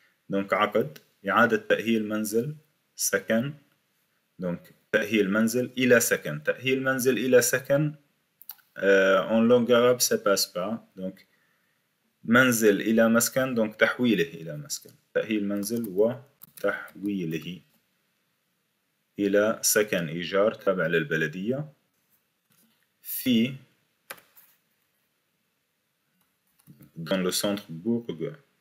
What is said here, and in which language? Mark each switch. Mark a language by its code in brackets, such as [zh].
[ar] Donc, عقد, إعادة تأهيل منزل, سكن. Donc, تأهيل منزل, إلى سكن. تأهيل منزل, إلى سكن, [fr] en langue arabe, ça passe pas. [ar] Donc, منزل, إلى مسكن, donc, تحويله, إلى مسكن. تأهيل منزل, و تحويله, إلى سكن, إيجار, تابع للبلدية. [fr] في, dans le centre bourg.